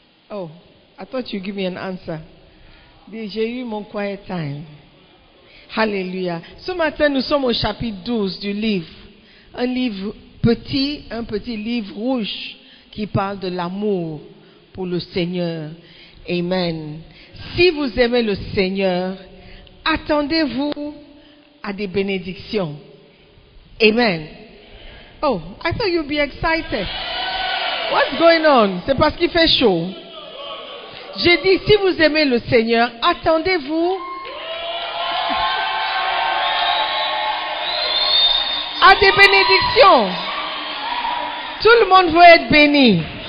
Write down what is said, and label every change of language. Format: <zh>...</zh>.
<en>Oh, I thought you'd give me an answer.</en> <fr>J'ai eu mon quiet time. Alléluia. Ce matin, nous sommes au chapitre 12 du livre. Un livre petit, un petit livre rouge qui parle de l'amour pour le Seigneur. Amen. Si vous aimez le Seigneur, attendez-vous à des bénédictions. Amen.</fr> <en>Oh, I thought you'd be excited. What's going on?</en> <fr>C'est parce qu'il fait chaud. J'ai dit, si vous aimez le Seigneur, attendez-vous. À des bénédictions. Tout le monde veut être béni.</fr>